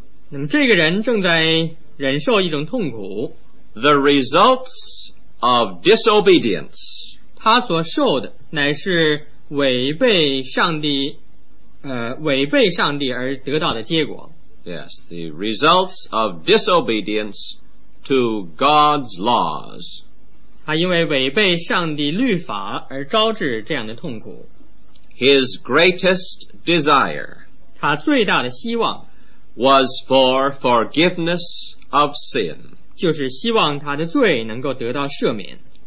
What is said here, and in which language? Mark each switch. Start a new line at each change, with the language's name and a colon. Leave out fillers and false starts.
Chinese: 那么这个人正在忍受一种痛苦。
English: The results of disobedience,
Chinese: 他所受的乃是违背上帝而得到的结果。
English: Yes, the results of disobedience to God's laws,
Chinese: 他因为违背上帝律法而招致这样的痛苦。
English: His greatest desire,
Chinese: 他最大的希望,
English: was for forgiveness of sin,
Chinese: 就是希望他的罪能够得到赦免。